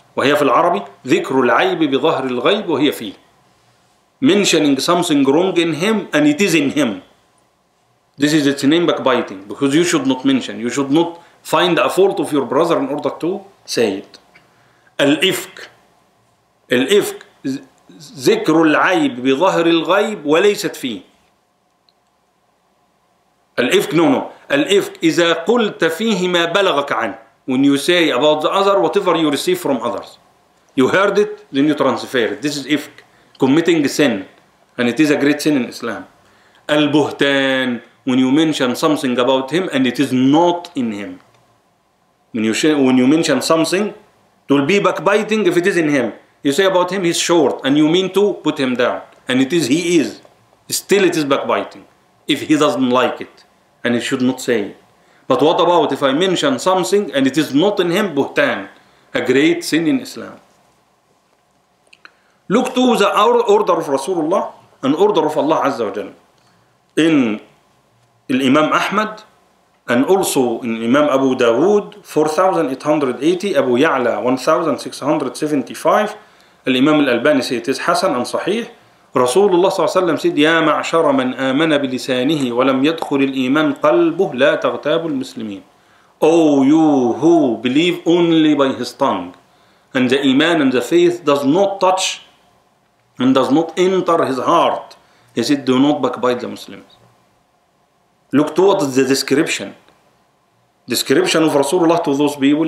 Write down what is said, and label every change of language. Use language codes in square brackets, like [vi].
[ar] وهي في العربي ذكر العيب بظهر الغيب وهي فيه. [en] Mentioning something wrong in him and it is in him. This is its name, backbiting, because you should not mention, you should not find a fault of your brother in order to say it. [ar] الإفك. الإفك ذكر العيب بظهر الغيب وليست فيه. الإفك, [en] no, no. [ar] الإفك إذا قلت فيه ما بلغك عنه. [en] When you say about the other, whatever you receive from others. You heard it, then you transfer it. This is ifk, committing sin. And it is a great sin in Islam. Al-buhtan, when you mention something about him and it is not in him. When you mention something, it will be backbiting if it is in him. You say about him, he's short, and you mean to put him down. And it is, he is. Still it is backbiting. If he doesn't like it, and he should not say it. But what about if I mention something and it is not in him, buhtan, a great sin in Islam. Look to the order of Rasulullah and order of Allah Azza wa Jal. In Imam Ahmad and also in Imam Abu Dawood, 4880, Abu Ya'la, 1675, Imam Al-Albani said it is Hassan and Sahih. [ar] رسول الله صلى الله عليه وسلم سيد يا معشر من آمن بلسانه ولم يدخل الإيمان قلبه لا تغتاب المسلمين. [en] Oh, you who believe only by his tongue and the iman and the faith does not touch and does not enter his heart, he said, do not backbite the Muslims. Look towards the description of رسول الله to those people.